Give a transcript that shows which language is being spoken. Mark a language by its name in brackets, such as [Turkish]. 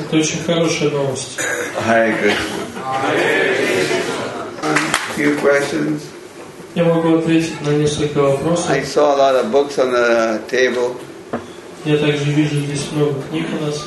[Russian] Это очень хорошая новость. [English] Hare Krishna. Few questions. [Russian] Я могу ответить на несколько вопросов. [English] I saw a lot of books on the table. [Russian] Я также вижу здесь много книг у нас.